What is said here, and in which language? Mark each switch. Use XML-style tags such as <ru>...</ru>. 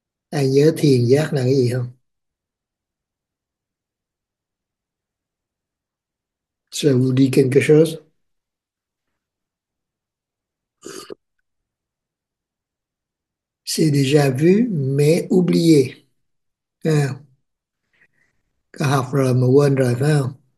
<vi>Ai nhớ thiền giác là cái gì không?</vi> <fr>Ça vous dit quelque chose? C'est déjà vu mais oublié.</fr> <vi>À, có học rồi mà quên rồi phải không?</vi>